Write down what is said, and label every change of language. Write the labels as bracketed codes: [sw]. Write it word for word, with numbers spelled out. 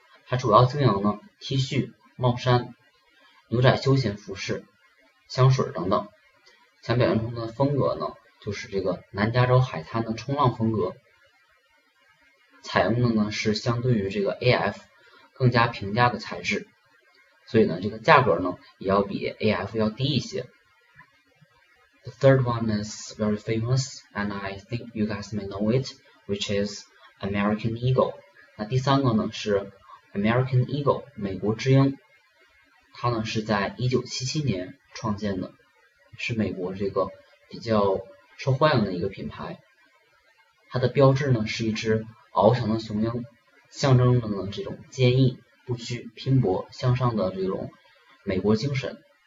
[zh] 它主要经营呢 T 恤、帽衫、牛仔休闲服饰、香水等等，想表现出的风格呢就是这个南加州海滩的冲浪风格，采用的呢是相对于这个 A F 更加平价的材质，所以呢这个价格呢也要比 A F 要低一些。 [en] The third one is very famous, and I think you guys may know it, which is American Eagle. [zh] 那第三个呢是 American Eagle 美国之鹰，它呢是在一九七七年创建的，是美国这个比较受欢迎的一个品牌。它的标志呢是一只翱翔的雄鹰，象征着呢这种坚毅不屈、拼搏向上的这种美国精神。